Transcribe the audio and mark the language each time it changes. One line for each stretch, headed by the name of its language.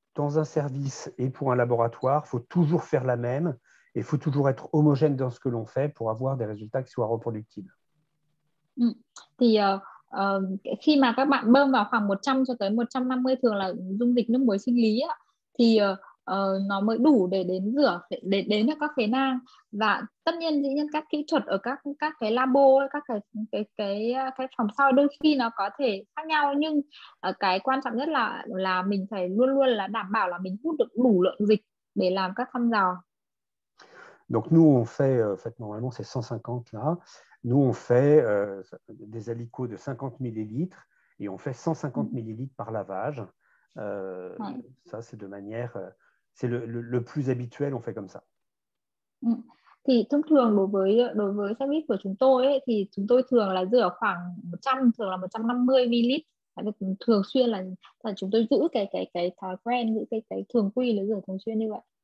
French: dans un service et pour un laboratoire, il faut toujours faire la même et il faut toujours être homogène dans ce que l'on fait pour avoir des résultats qui soient reproductibles.
Vietnamese: Thì khi mà các bạn bơm vào khoảng 100 cho tới 150 thường là dung dịch nước muối sinh lý á, thì nó mới đủ để đến rửa để đến được các phế nang. Và tất nhiên dĩ nhiên các kỹ thuật ở các cái labo, các cái phòng soi đôi khi nó có thể khác nhau, nhưng cái quan trọng nhất là mình phải luôn luôn là đảm bảo là mình hút được đủ lượng dịch để làm các thăm dò.
French: Donc nous on fait normalement c'est 150 là. Nous, on fait des alicots de 50 millilitres et on fait 150 millilitres par lavage. Ça, c'est de manière... C'est le plus habituel, on fait comme ça.
Vietnamese: Thì thông thường đối với xe buýt của chúng tôi, ấy, thì chúng tôi thường là rửa khoảng 100, thường là 150 millilitres. Thường xuyên là chúng tôi giữ cái thói quen, giữ cái thường quy là rửa thường xuyên như vậy.